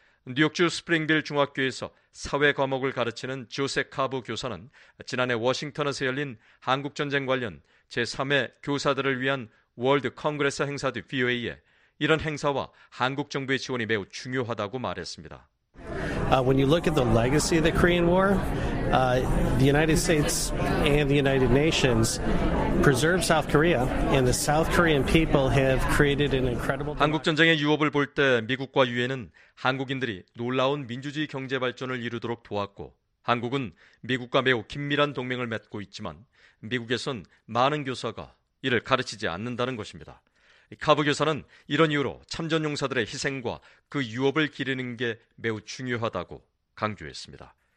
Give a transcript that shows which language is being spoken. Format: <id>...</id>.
<ko>뉴욕주 스프링빌 중학교에서 사회 과목을 가르치는 조셉 카브 교사는 지난해 워싱턴에서 열린 한국전쟁 관련 제3회 교사들을 위한 월드 컨그레스 행사 뒤 BOA에 이런 행사와 한국 정부의 지원이 매우 중요하다고 말했습니다.</ko> <en>When you look at the legacy of the Korean War, the United States and the United Nations preserve South Korea, and the South Korean people have created an incredible.</en> <ko>한국 전쟁의 유업을 볼 때 미국과 유엔은 한국인들이 놀라운 민주주의 경제 발전을 이루도록 도왔고 한국은 미국과 매우 긴밀한 동맹을 맺고 있지만 미국에선 많은 교사가 이를 가르치지 않는다는 것입니다. 카브 교사는 이런 이유로 참전용사들의 희생과 그 유업을 기리는 게 매우 중요하다고 강조했습니다.</ko>